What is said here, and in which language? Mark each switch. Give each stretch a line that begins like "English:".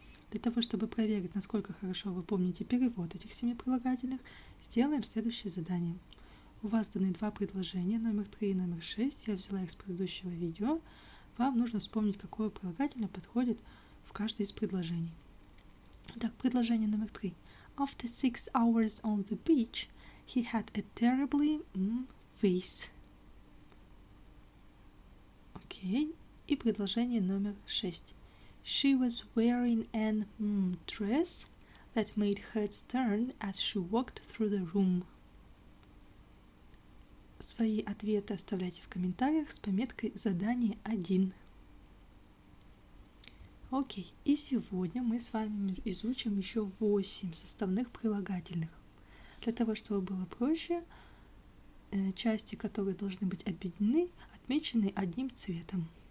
Russian: Для того, чтобы проверить, насколько хорошо вы помните перевод этих 7 прилагательных, сделаем следующее задание. У вас даны 2 предложения, номер 3 и номер 6. Я взяла их с предыдущего видео. Вам нужно вспомнить, какое прилагательное подходит в каждое из предложений. Итак, предложение номер 3.
English: After 6 hours on the beach, he had a terribly face.
Russian: Окей. И предложение номер 6.
English: She was wearing an dress that made her stern as she walked through the room.
Russian: Свои ответы оставляйте в комментариях с пометкой «Задание 1». Окей, и сегодня мы с вами изучим еще 8 составных прилагательных. Для того, чтобы было проще, части, которые должны быть объединены, отмечены одним цветом.